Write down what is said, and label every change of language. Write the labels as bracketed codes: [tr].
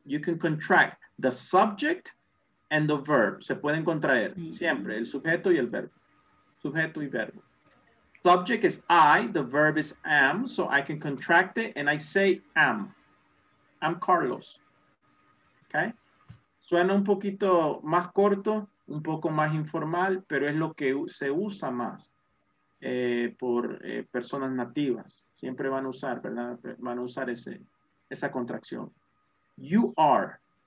[en] You can contract the subject and the verb. [es] Se pueden contraer siempre el sujeto y el verbo. Sujeto y verbo. [en] Subject is I, the verb is am, so I can contract it and I say am. I'm Carlos. Okay? [es] Suena un poquito más corto, un poco más informal, pero es lo que se usa más por personas nativas. Siempre van a usar, ¿verdad? Van a usar ese, esa contracción. [en] You are.